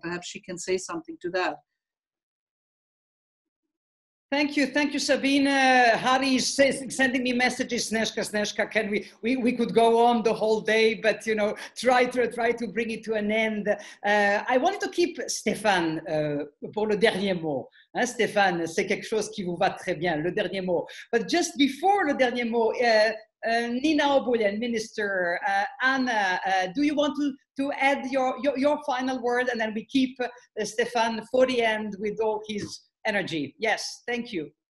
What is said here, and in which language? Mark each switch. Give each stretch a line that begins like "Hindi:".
English: Perhaps she can say something to that. Thank you, Sabine. Harry is sending me messages. Sneska, can we could go on the whole day, but you know, try to bring it to an end. I wanted to keep Stéphane
French: pour le dernier mot. Hein, Stéphane, c'est quelque chose qui vous va très bien, le dernier mot.
English: But just before
French: le dernier mot,
English: Nina Obuljen, Minister, Anna, do you want to add your final word, and then we keep Stéphane for the end with all his energy. Yes, thank you.